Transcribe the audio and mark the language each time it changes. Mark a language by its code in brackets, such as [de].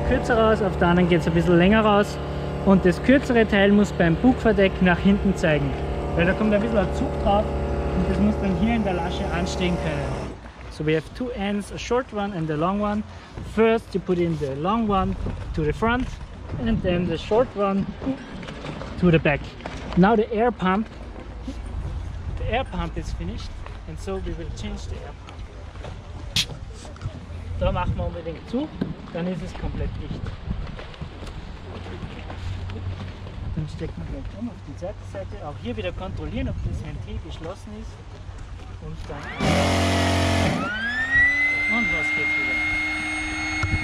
[de] Raus, auf der anderen geht es ein bisschen länger raus und das kürzere Teil muss beim Bugverdeck nach hinten zeigen, weil da kommt ein bisschen ein Zug drauf und das muss dann hier in der Lasche anstehen können. [en] So we have two ends, a short one and a long one. First you put in the long one to the front and then the short one to the back. Now the air pump is finished and so we will change the air pump. [de] Da machen wir unbedingt zu, dann ist es komplett dicht. Dann stecken wir gleich um auf die zweite Seite. Auch hier wieder kontrollieren, ob das Ventil geschlossen ist. Und dann. Und los geht's wieder.